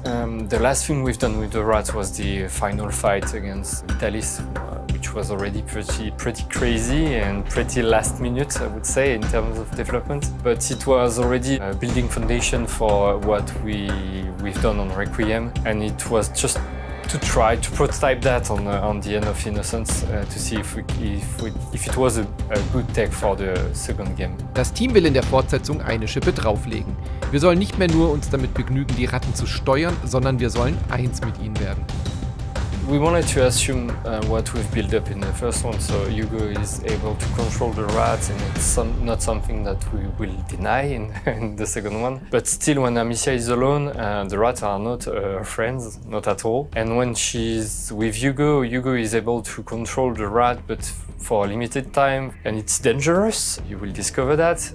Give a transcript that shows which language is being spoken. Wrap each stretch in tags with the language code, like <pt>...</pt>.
<en>The last thing we've done with the rats was the final fight against Vitalis, which was already pretty crazy and pretty last minute, I would say, in terms of development. But it was already a building foundation for what we've done on Requiem, and it was just to try to prototype that on the end of Innocence, to see if it was a good tech for the second game.</en> <de>Das Team will in der Fortsetzung eine Schippe drauflegen. Wir sollen nicht mehr nur uns damit begnügen, die Ratten zu steuern, sondern wir sollen eins mit ihnen werden.</de> <en>We wanted to assume what we've built up in the first one, so Hugo is able to control the rats, and it's not something that we will deny in the second one. But still, when Amicia is alone, the rats are not friends, not at all. And when she's with Hugo, Hugo is able to control the rat, but for a limited time, and it's dangerous. You will discover that.</en>